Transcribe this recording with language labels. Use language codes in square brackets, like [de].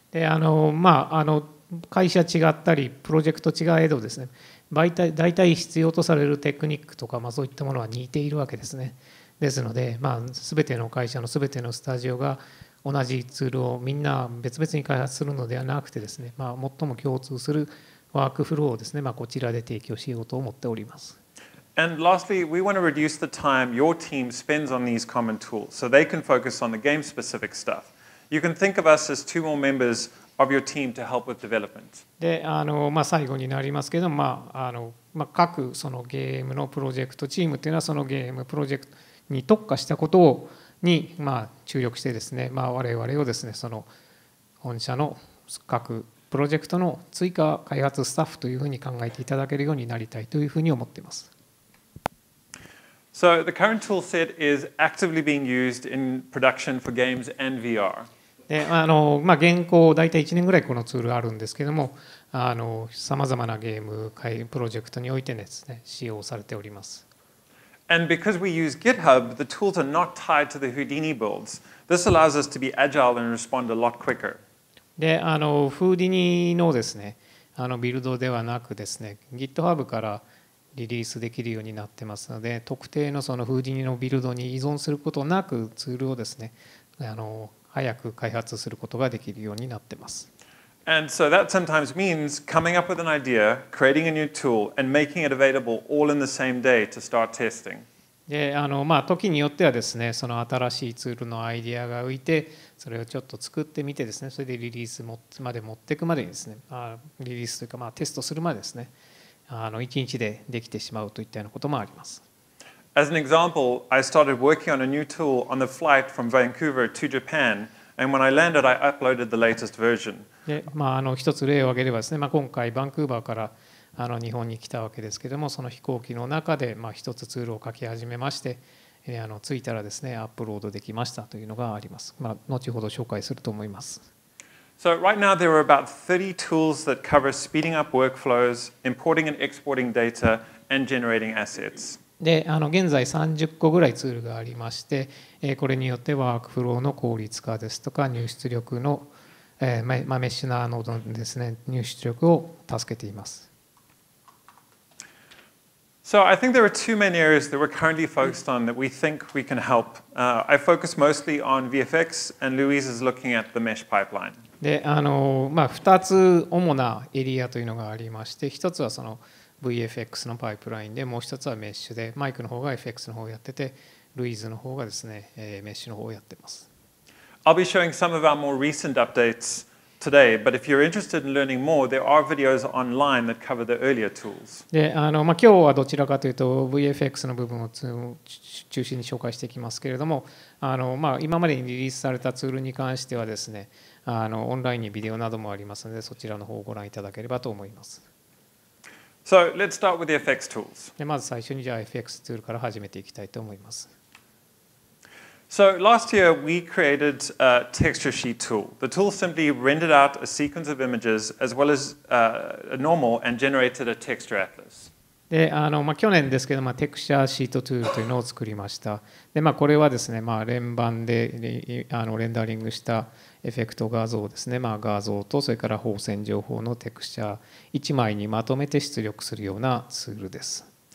[ja] で、まあ、会社違ったり、プロジェクト違えどですね、大体必要とされるテクニックとか、まあ、そういったものは似ているわけですね。ですので、まあ、全ての会社の全てのスタジオが同じツールをみんな別々に開発するのではなくてですね、まあ、最も共通するワークフローをですね、まあ、こちらで提供しようと思っております。 [en] And lastly, we want to reduce the time your team spends on these common tools so they can focus on the game specific stuff. You can think of us as two more members of your team to help with development. [ja] で、まあ、最後になりますけど、まあ、まあ、各そのゲームのプロジェクトチームというのはそのゲームプロジェクトに特化したことをに、まあ、注力してですね、まあ、我々をですね、その本社の各プロジェクトの追加開発スタッフというふうに考えていただけるようになりたいというふうに思っています。 [en] So the current tool set is actively being used in production for games and VR. [ja] で、まあ、現行大体1年ぐらいこのツールあるんですけども、さまざまなゲームプロジェクトにおいてですね、使用されております。 [en] And because we use GitHub, the tools are not tied to the Houdini builds. This allows us to be agile and respond a lot quicker. [ja] で、Houdini のですね、ビルドではなくですね、GitHub からリリースできるようになってますので、特定のその Houdini のビルドに依存することなくツールをですね、早く開発することができるようになってます。 [en] And so that sometimes means coming up with an idea, creating a new tool, and making it available all in the same day to start testing. [ja] で、まあ、時によってはですね、その新しいツールのアイデアが浮いて、それをちょっと作ってみてですね、それでリリースまで持っていくまでにですね、リリースというかまあテストするまでですね、1日でできてしまうといったようなこともあります。 [en] As an example, I started working on a new tool on the flight from Vancouver to Japan, and when I landed, I uploaded the latest version. [ja] で、まあ一つ例を挙げればですね、まあ今回バンクーバーから日本に来たわけですけども、その飛行機の中で一つツールを書き始めまして、着いたらですね、アップロードできましたというのがあります。まあ後ほど紹介すると思います。 [en] So right now there are about 30 tools that cover speeding up workflows, importing and exporting data, and generating assets. [ja] で現在30個ぐらいツールがありまして、これによってワークフローの効率化ですとか入出力の、メッシュなノードのですね、入出力を助けています。 [en] So I think there are two main areas that we're currently focused on that we think we can help. I focus mostly on VFX and Louise is looking at the mesh pipeline. [ja] で2つ主なエリアというのがありまして、1つはそのVFX のパイプラインで、もう一つはメッシュで、マイクの方が FX の方をやってて、ルイーズの方がですね、メッシュの方をやってます。 [en] I'll be showing some of our more recent updates today, but if you're interested in learning more, there are videos online that cover the earlier tools. [ja] で、今日はどちらかというと、VFX の部分を中心に紹介していきますけれども、今までにリリースされたツールに関してはですね、オンラインにビデオなどもありますので、そちらの方をご覧いただければと思います。 [en] So let's start with the FX tools. [ja] まず最初にじゃあ FX ツールから始めていきたいと思います。 [en] So last year we created a texture sheet tool. The tool simply rendered out a sequence of images as well as a normal and generated a texture atlas. [ja] で、去年ですけど、テクスチャーシートツールというのを作りました。で、これはですね、連番でレンダリングしたエフェクト画像ですね、画像とそれから放線情報のテクスチャー1枚にまとめて出力するようなツールです。